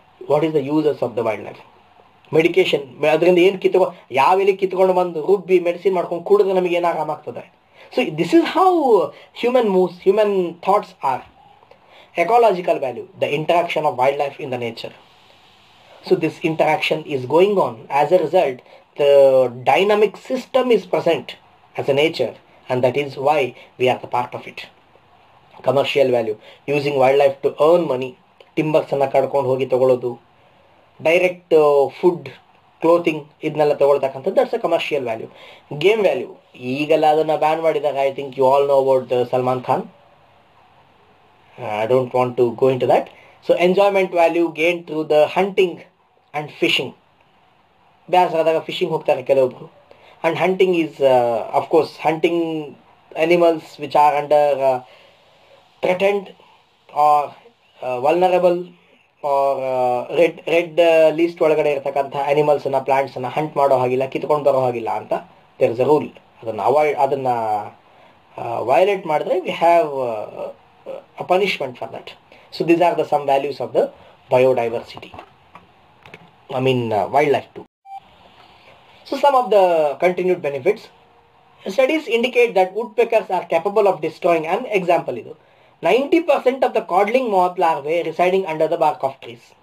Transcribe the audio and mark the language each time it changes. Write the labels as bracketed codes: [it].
[en] What is the uses of the wildlife? [kn] Medication, ಅದರಿಂದ ಏನು ಯಾವ ಎಲೆ ಕಿತ್ಕೊಂಡು ಬಂದು ರುಬ್ಬಿ ಮೆಡಿಸಿನ್ ಮಾಡ್ಕೊಂಡು ಕೂಡಿದ್ರೆ ನಮಗೆ ಏನು ಆರಾಮ ಆಗ್ತದೆ? [en] So this is how human moves, human thoughts are. Ecological value, the interaction of wildlife in the nature. So this interaction is going on, as a result the dynamic system is present. as a nature, and that is why we are the part of it. Commercial value, using wildlife to earn money, timbers [kn] anna kadkondu hogi tagolodu, [en] direct food, clothing, [kn] idnella tagoltakkanta, [en] that's a commercial value. Game value, [kn] igala adana ban madidaga, [en] I think you all know about Salman Khan. I don't want to go into that. So enjoyment value gained through the hunting and fishing. [kn] ಬೇಸಾದಾಗ fishing ಹೋಗ್ತಾರೆ ಕೆಲವೊಬ್ಬರು. [en] and hunting is of course hunting animals which are under threatened or vulnerable or red red list [kn] ಒಳಗಡೆ ಇರತಕ್ಕಂಥ ಅನಿಮಲ್ಸನ್ನು ಪ್ಲಾಂಟ್ಸನ್ನು Hunt ಮಾಡೋ ಹಾಗಿಲ್ಲ, ಕಿತ್ಕೊಂಡು ಬರೋ ಹಾಗಿಲ್ಲ ಅಂತ [en] There is a rule. [kn] ಅದನ್ನು ಅವಾಯ್ಡ್ ಅದನ್ನು ವಯೊಲೇಟ್ ಮಾಡಿದ್ರೆ [en] We have a punishment for that. So these are the some values of the biodiversity, I mean wildlife too. So some of the continued benefits. Studies indicate that woodpeckers are capable of destroying, an example idu, 90% of the codling moth larvae residing under the bark of trees.